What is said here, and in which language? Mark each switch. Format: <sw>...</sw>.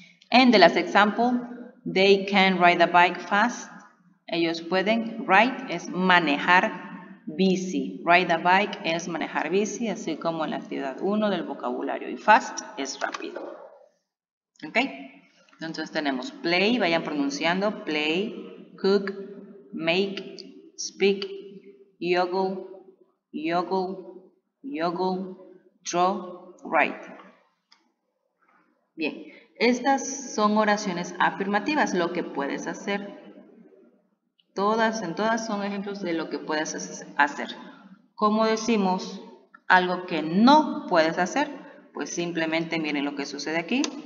<es>En</es> <en>the last example, they can ride a bike fast,</en> <es>ellos pueden, ride es manejar. Bici,</es> <en>ride a bike</en> <es>es manejar bici, así como en la actividad 1 del vocabulario y fast es rápido. ¿Ok? Entonces tenemos play, vayan pronunciando, play, cook, make, speak, yoggle, yoggle, yoggle, draw, write. Bien, estas son oraciones afirmativas, lo que puedes hacer. Todas, en todas son ejemplos de lo que puedes hacer. ¿Cómo decimos algo que no puedes hacer? Pues simplemente miren lo que sucede aquí.</es>